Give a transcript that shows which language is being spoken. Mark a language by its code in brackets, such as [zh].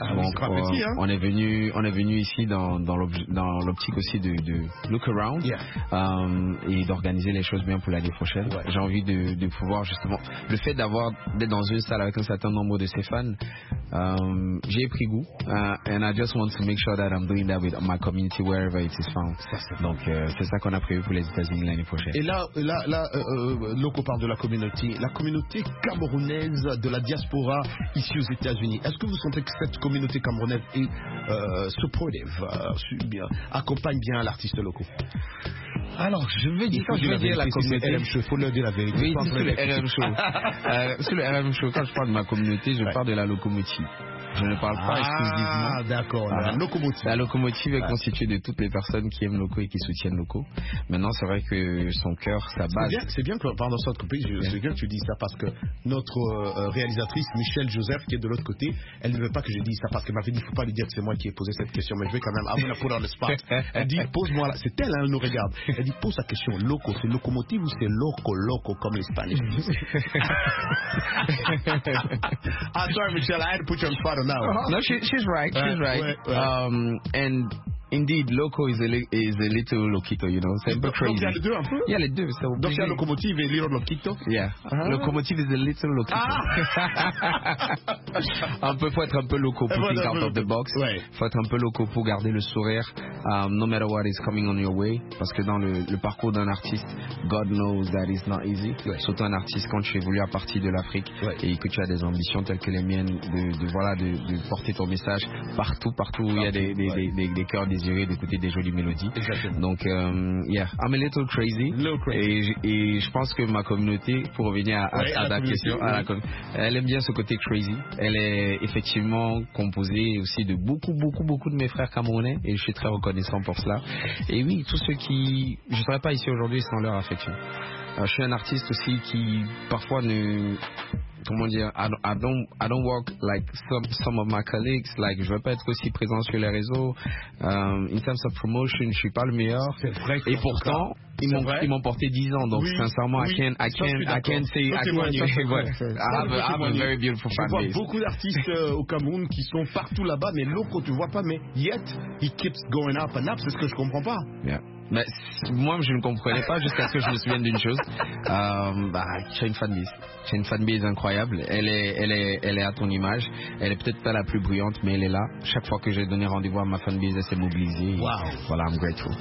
[fr] Ah, donc, c'est pas petit, hein? On est venu ici dans l'optique aussi de [en] look around. Yeah. [fr] Et d'organiser les choses bien pour l'année prochaine. Ouais. J'ai envie de pouvoir justement... Le fait d'être dans une salle avec un certain nombre de ses fans, j'ai pris goût. [en] And I just want to make sure that I'm doing that with my community wherever it is found. [fr] Donc c'est ça qu'on a prévu pour les États-Unis l'année prochaine. Et Loco parle de la communauté camerounaise de la diaspora ici aux États-Unis. Est-ce que vous sentez que cette communauté camerounaise est supportive, bien, accompagne bien l'artiste Loco? Alors, je vais dire, il faut leur dire la vérité. Oui, sur le RM Show, quand je parle de ma communauté, je parle de la locomotive. Je ne parle pas exclusivement. Ah, d'accord, la locomotive. La locomotive est constituée de toutes les personnes qui aiment Loco et qui soutiennent Loco. Maintenant, c'est vrai que son cœur, sa base. C'est bien que tu dises ça parce que notre réalisatrice, Michelle Joseph, qui est de l'autre côté, elle ne veut pas que je dise ça parce qu'elle m'avait dit, il ne faut pas lui dire que c'est moi qui ai posé cette question, mais je vais quand même avoir la poudre dans le spot. Elle dit, pose-moi là. C'est elle, elle nous regarde. Elle dit, pose la question, Loco, c'est locomotive ou c'est loco comme l'espagnol? [en] I'm sorry, Michelle, I had to put you on spot. No, she's right. She's right. And indeed, Loco is a little loquito, you know. [fr] C'est un peu crazy. Donc, il y a les deux un peu. Yeah, les deux. So, donc, il y a locomotive et little loquito. [en] Yeah. Uh-huh. Locomotive is a little loquito. Ah. [fr] Un peu, faut être un peu loco pour [en] think out of the box. [fr] Ouais. Faut être un peu loco pour garder le sourire. [en] No matter what is coming on your way. [fr] Parce que dans le parcours d'un artiste, [en] God knows that it's not easy. [fr] Ouais. Surtout un artiste quand tu es voulu à partir de l'Afrique. Ouais. Et que tu as des ambitions telles que les miennes de porter ton message partout où il y a des cœurs désirés d'écouter des jolies mélodies. Exactement. [en] Donc, yeah, I'm a little crazy. [fr] Et je pense que ma communauté, pour revenir à la question, elle aime bien ce côté crazy. Elle est effectivement composée aussi de beaucoup de mes frères camerounais et je suis très reconnaissant pour cela. Et oui, tous ceux qui... Je ne serais pas ici aujourd'hui sans leur affection. Je suis un artiste aussi qui parfois ne... Comment dire, [en] I don't work like some of my colleagues. [fr] Like, je veux pas être aussi présent sur les réseaux. [en] In terms of promotion, [fr] je suis pas le meilleur. C'est vrai. Et pourtant, ils m'ont porté 10 ans. Donc, sincèrement, [en] I can say I have a very beautiful family. [fr] Je vois beaucoup d'artistes au Cameroun qui sont partout là-bas, mais Loco, tu vois pas. [en] Mais yet, he keeps going up and up. [fr] C'est ce que je comprends pas. [en] Yeah. [fr] Mais moi, je ne comprenais pas jusqu'à ce que je me souvienne d'une chose. J'ai une fanbase. J'ai une fanbase incroyable. Elle est à ton image. Elle est peut-être pas la plus bruyante, mais elle est là. Chaque fois que j'ai donné rendez-vous à ma fanbase, elle s'est mobilisée. [en] Wow. Voilà, I'm grateful.